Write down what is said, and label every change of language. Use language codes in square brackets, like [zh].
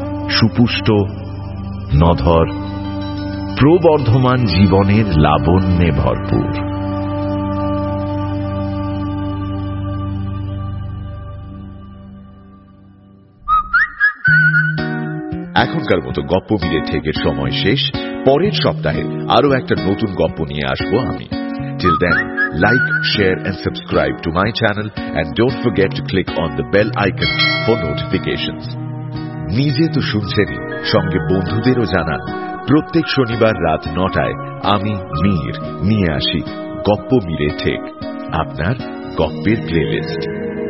[bn] সুপুষ্ট নধর প্রবর্ধমান জীবনের লাবণ্যে ভরপুর। এখনকার মতো গপ্প মিলে ঠেকের সময় শেষ, পরের সপ্তাহে আরো একটা নতুন গপ্প নিয়ে আসবো আমি। [en] Till then, like, share and subscribe to my channel and don't forget to click on the bell icon for notifications. [bn] নিজে তো শুনছেনই, সঙ্গে বন্ধুদেরও জানান, প্রত্যেক শনিবার রাত 9টায় আমি মীর নিয়ে আসি গপ্প মিলে ঠেক, আপনার গপ্পের প্লেলিস্ট।